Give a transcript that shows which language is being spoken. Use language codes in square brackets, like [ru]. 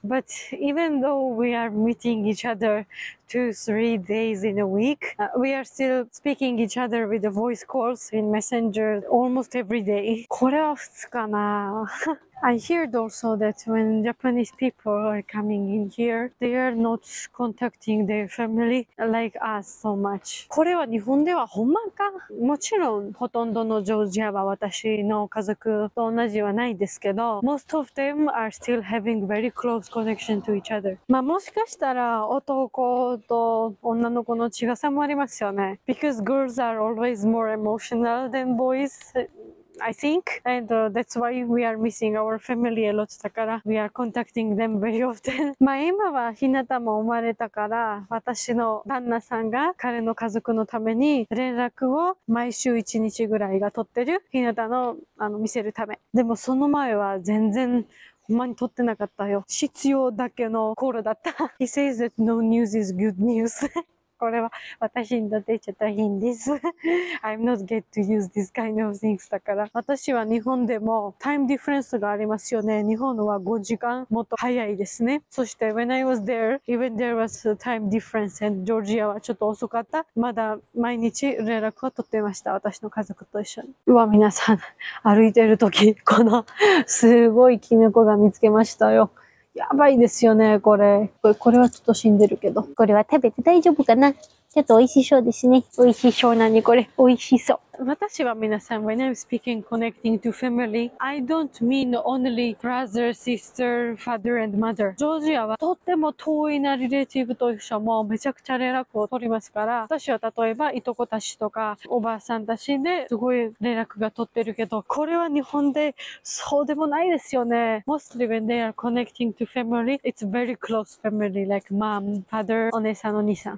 [en] But even though we are meeting each other 2, 3 days in a week, we are still speaking each other with the voice calls in Messenger almost every day. [ja] これは普通かな？ [en] I heard also that when Japanese people are coming in here, they are not contacting their family like us so much. [ja] これは日本ではほんまか？もちろん、ほとんどのジョージアは私の家族と同じはないですけど、 [en] Most of them are still having very close connection to each other. [ja] まあもしかしたら男と女の子の違さもありますよね。 [en] Because girls are always more emotional than boys. I think, and that's why we are missing our family a lot. [ja] だから [en] we are contacting them very often. [ja] まあ今は日向も生まれたから、私の旦那さんが彼の家族のために連絡を毎週1日ぐらいが取ってる。日向の、見せるため。でもその前は全然ほんまに撮ってなかったよ。必要だけのコールだった。 [en] He says that no news is good news. [ja] これは私にとってちょっといいんです。 [en] I'm not get to use this kind of things [ja] だから。私は日本でもタイムディフェンスがありますよね。日本は5時間もっと早いですね。そして [en] When I was there, even there was a time difference and Georgia [ja] はちょっと遅かった。まだ毎日連絡を取ってました、私の家族と一緒に。うわ、皆さん歩いてる時この すごいキノコが見つけましたよ。やばいですよね、これ。これはちょっと死んでるけど。これは食べて大丈夫かな？ちょっと美味しそうですね。美味しそうなに、これ。美味しそう。私は皆さん、 [en] When I'm speaking connecting to family, I don't mean only brother, sister, father and mother. [ja] ジョージアはとっても遠いなリレーティブと一緒もめちゃくちゃ連絡を取りますから、私は例えばいとこたちとかおばあさんたちですごい連絡が取ってるけど、これは日本でそうでもないですよね。 [en] Mostly when they are connecting to family, it's very close family, like mom, father, お姉さん、お兄さん。